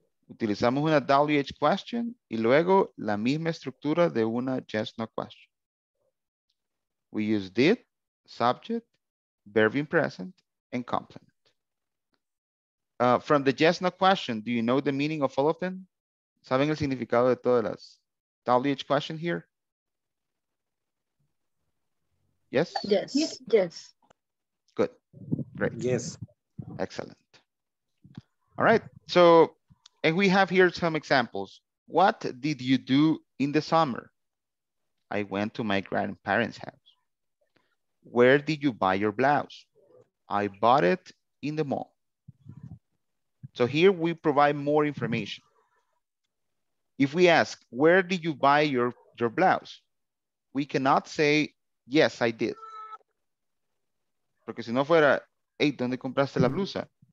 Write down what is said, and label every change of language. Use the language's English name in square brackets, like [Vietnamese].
[Spanish] Utilizamos una WH question y luego la misma estructura de una yes, no question. [English] We use did, subject, verb in present, and complement. From the yes, no question, do you know the meaning of all of them? [Spanish] ¿Saben el significado de todas las WH question [English] here? Yes? Yes. Yes. Good. Great. Yes. Excellent. All right. So, and we have here some examples. What did you do in the summer? I went to my grandparents' house. Where did you buy your blouse? I bought it in the mall. So here we provide more information. If we ask, where did you buy your blouse? We cannot say, yes, I did. [Spanish] Porque si no fuera, hey, ¿dónde compraste la blusa?